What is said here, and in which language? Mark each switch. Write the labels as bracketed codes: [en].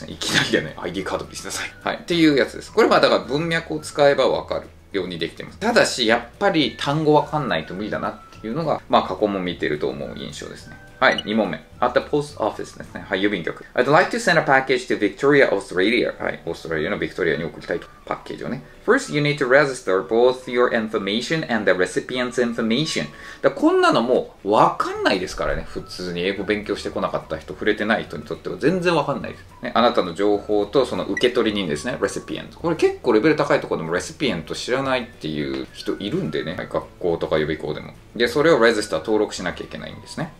[ja] いきなりだね、 ID カード見せなさい。はい、っていうやつです。これはだから文脈を使えばわかるようにできてます。ただしやっぱり単語わかんないと無理だなっていうのが、まあ過去も見てると思う印象ですね。はい、2問目。 [en] At the post office [ja] ですね。はい、郵便局。 [en] I'd like to send a package to Victoria, Australia. [ja] はい、オーストラリアのビクトリアに送りたいと。パッケージをね。 [en] First, you need to register both your information and the recipient's information. [ja] だこんなのもわかんないですからね。普通に英語勉強してこなかった人、触れてない人にとっては全然わかんないです、ね。あなたの情報とその受け取り人ですね。 recipient。 これ結構レベル高いところでも recipient 知らないっていう人いるんでね。学校とか予備校でも。で、それをレジスター登録しなきゃいけないんですね。